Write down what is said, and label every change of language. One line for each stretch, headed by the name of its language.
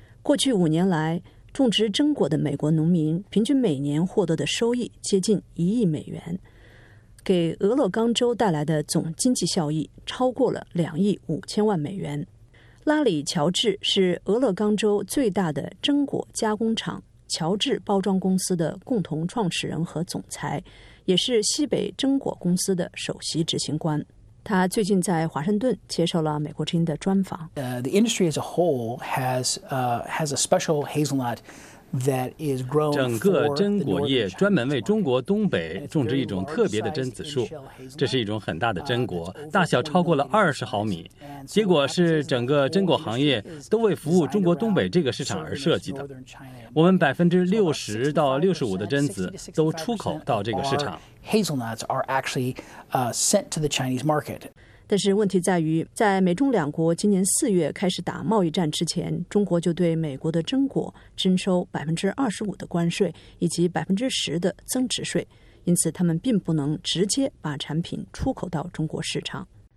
Chinese: 过去5年来，种植榛果的美国农民平均每年获得的收益接近1亿美元，给俄勒冈州带来的总经济效益超过了2亿5000万美元。拉里·乔治是俄勒冈州最大的榛果加工厂乔治包装公司的共同创始人和总裁，也是西北榛果公司的首席执行官。他最近在华盛顿接受了美国之音的专访。
English: The industry as a whole has a special hazelnut that is grown.
Chinese: 整个榛果业专门为中国东北种植一种特别的榛子树，这是一种很大的榛果，大小超过了20毫米。结果是整个榛果行业都为服务中国东北这个市场而设计的。我们60%-65%的榛子都出口到这个市场。
English: Hazelnuts are actually sent to the Chinese market.
Chinese: 但是问题在于，在美中两国今年4月开始打贸易战之前，中国就对美国的榛果征收25%的关税以及10%的增值税，因此他们并不能直接把产品出口到中国市场。